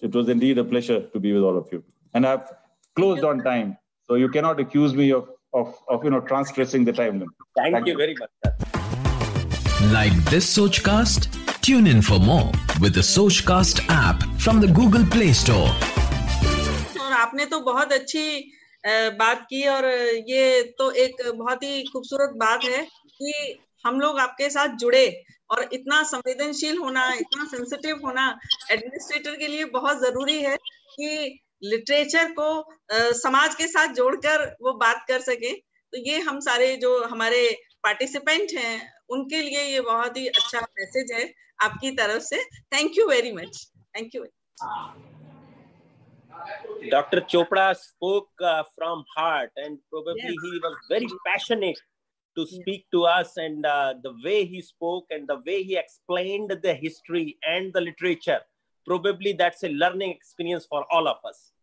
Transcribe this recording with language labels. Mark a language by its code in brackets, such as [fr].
[en] It was indeed a pleasure to be with all of you. And I've closed on time, so you cannot accuse me of transgressing the time limit. Thank you very much, sir. Like this Sochcast? Tune in for more with the Sochcast app from the Google Play Store. [hi] आपने तो बहुत अच्छी बात की, और ये तो एक बहुत ही खूबसूरत बात है कि हम लोग आपके साथ जुड़े, और इतना संवेदनशील होना, इतना सेंसिटिव होना एडमिनिस्ट्रेटर के लिए बहुत जरूरी है कि लिटरेचर को समाज के साथ जोड़कर वो बात कर सके. तो ये हम सारे जो हमारे पार्टिसिपेंट हैं उनके लिए ये बहुत ही अच्छा मैसेज है आपकी तरफ से. [en] Thank you very much. Thank you. Dr. Chopra spoke from heart, and probably yes. He was very passionate to speak to us, and the way he spoke and the way he explained the history and the literature, probably that's a learning experience for all of us.